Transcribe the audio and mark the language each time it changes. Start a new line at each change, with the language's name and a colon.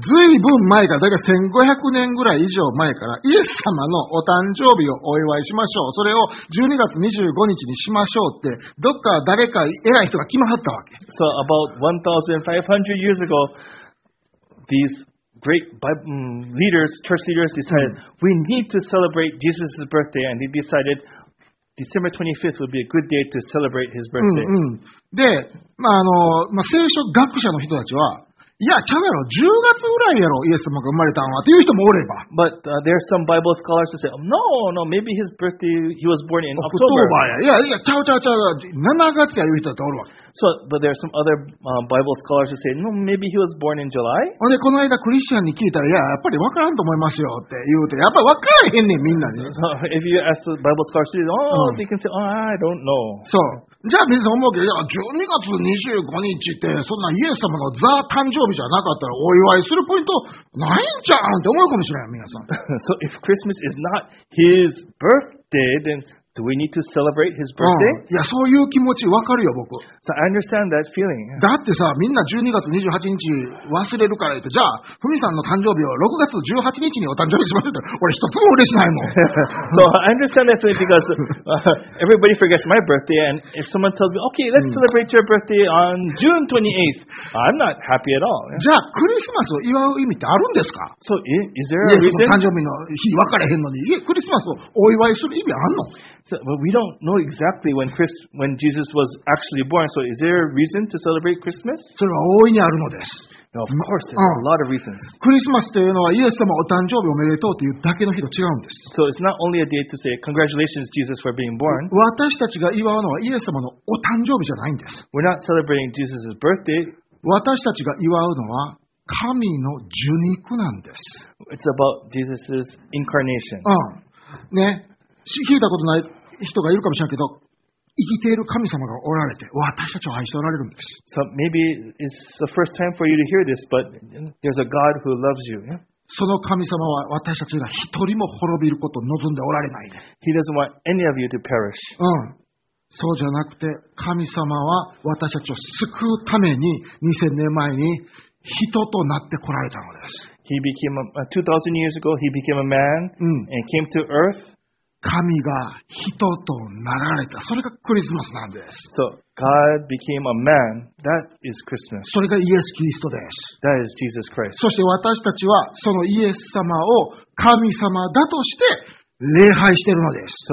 Japanese: ずいぶん前から、だから1500年ぐらい以上前から、イエス様のお誕生日をお祝いしましょう。それを12月25日にしましょうって、どっか誰か偉い人が決まったわけ。
English: So, about 1,500 years ago, these great Bible leaders, church leaders decided、mm-hmm. we need to celebrate Jesus' birthday, and they decided December 25th would be a good day to celebrate his birthday. Mm-hmm.
Japanese: で、まああのまあ、聖書学者の人たちは、いや、ちゃうやろ、10月ぐらいやろ、イエス様が生まれたんはという人もおれば。
English: But、there are some Bible scholars who say, no, no, maybe his birthday, he was born in October.
Japanese: いや、ちゃう、7月やいう人だとおるわ。
English: So, but there are some other、Bible scholars who say, no, maybe he was born in July.
Japanese: で、この間クリスチャンに聞いたら、いや、やっぱり分からんと思いますよって言うて、やっぱり分からへんねん、みんなに。
English: So, if you ask the Bible scholars, they say, oh,、they can say, oh, I don't know.
Japanese: So,じゃあ皆さん思うけど、12月25日ってそんなイエス様のザ誕生日じゃなかったらお祝いするポイントないんじゃんって思うかもしれない皆さん。
English: So if Christmas is not his birthday, then do we need to celebrate his birthday?、
Japanese: うん、いやそういう気持ちわかるよ僕。
English: So I understand that feeling.
Japanese: だってさみんな12月28日忘れるから言って、じゃあふみさんの誕生日を6月18日にお誕生日しますって、俺一つも嬉しないもん。
English: So I understand that feeling because、everybody forgets my birthday, and if someone tells me, okay, let's celebrate your birthday on June 28th, I'm not happy at all.
Japanese: じゃあクリスマスを祝う意味ってあるんですか
English: ？So is there a reason?
Japanese: イエスの誕生日の日分からへんのに、クリスマスをお祝いする意味あるの？
English: So, but we don't know exactly when Jesus was actually born. So, is there a reason to celebrate Christmas?
Japanese: それは大いにあるのです。
English: No, of course, there are a lot of reasons.
Japanese: クリスマスというのはイエス様お誕生日おめでとうというだけの日と違うんです。
English: So, it's not only a day to say congratulations, Jesus, for being born.
Japanese: 私たちが祝うのはイエス様のお誕生日じゃないんです。
English: We're not celebrating Jesus' birthday.
Japanese: 私たちが祝うのは神の受肉なんです。
English: It's about Jesus' incarnation. ね。
Japanese: 聞いたことない人がいるかもしれないけど、生きている神様がおられて、私たちを愛しておられるんです。
English: So maybe it's the first time for you to hear this, but there's a God who loves you.
Japanese: その神様は私たちが一人も滅びることを望んでおられない。
English: He doesn't want any of you to perish. うん。
Japanese: そうじゃなくて、神様は私たちを救うために2000年前に人となってこられたのです。
English: He became a 2000 years ago, he became a man and came to earth.
Japanese: 神が人となられた。それがクリスマスなんです。
English: So, God became a man. That is Christmas.
Japanese: それがイエス・キリストです。
English: That is Jesus Christ.
Japanese: そして私たちはそのイエス様を神様だとして礼拝しているのです。